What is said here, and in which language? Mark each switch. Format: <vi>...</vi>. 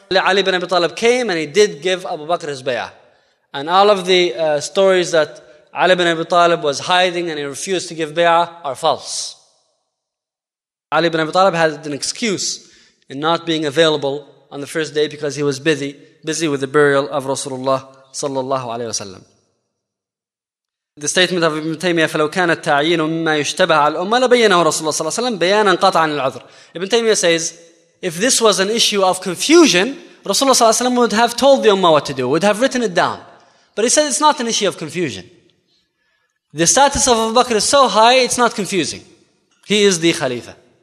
<en>Ali ibn Abi Talib came and he did give Abu Bakr his bay'ah. And all of the stories that Ali ibn Abi Talib was hiding and he refused to give bay'ah are false. Ali ibn Abi Talib had an excuse in not being available on the first day because he was busy with the burial of Rasulullah sallallahu alayhi wasallam. The statement of Ibn Taymiyyah,</en> <ar>فَلَوْ كَانَ التَّعْيِينُ مِمَّا يُشْتَبَهَ عَلَى الْأُمَّةِ لَبَيَّنَهُ رَسُولُ اللَّهِ صَلَّى اللَّهُ عَلَيْهِ وَسَلَّمَ بَيَانًا قَطْعًا لِلْعُذْرِ.</ar> <en>Ibn Taymiyyah says, if this was an issue of confusion, Rasulullah صلى الله عليه وسلم would have told the Ummah what to do, would have written it down. But he said it's not an issue of confusion. The status of Abu Bakr is so high, it's not confusing. He is the Khalifa.</en>